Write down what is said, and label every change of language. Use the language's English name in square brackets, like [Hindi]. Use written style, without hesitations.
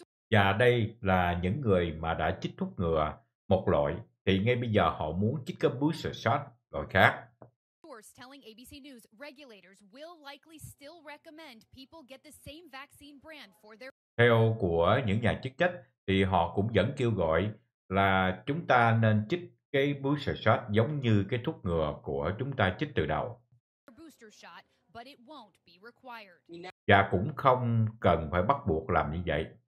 [Vietnamese] Và đây là những người mà đã chích thuốc ngừa một loại, thì ngay bây giờ họ muốn chích cái booster shot loại khác. [English] Telling ABC News, regulators will likely still recommend people get the same vaccine brand for their. [Vietnamese] Theo của những nhà chức trách thì họ cũng vẫn kêu gọi là chúng ta nên chích cái booster shot giống như cái thuốc ngừa của chúng ta chích từ đầu. [English] Booster shot, but it won't be required. [Vietnamese] Và cũng không cần phải bắt buộc làm như vậy.